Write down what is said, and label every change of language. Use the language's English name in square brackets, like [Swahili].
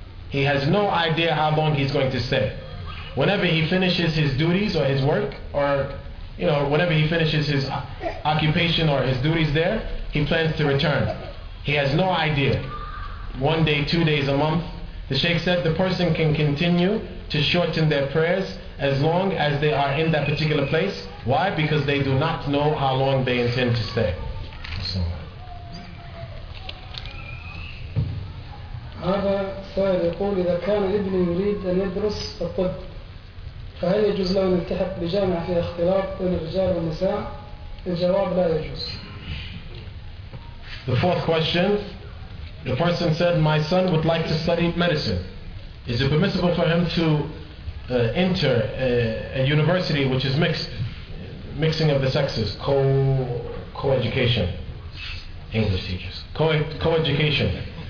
[English] He has no idea how long he's going to stay. Whenever he finishes his duties or his work, or you know, whenever he finishes his occupation or his duties there, he plans to return. He has no idea. 1 day, 2 days, a month. The Sheikh said the person can continue to shorten their prayers as long as they are in that particular place. Why? Because they do not know how long they intend to stay. [Arabic] هذا سائل يقول إذا كان ابني يريد أن يدرس الطب فهل يجوز له أن يلتحق بجامعة فيها اختلاط بين الرجال والنساء؟ الجواب لا يجوز. [English] The fourth question, the person said, my son would like to study medicine. Is it permissible for him to enter a university which is mixing of the sexes, co-education, English teachers, co-education.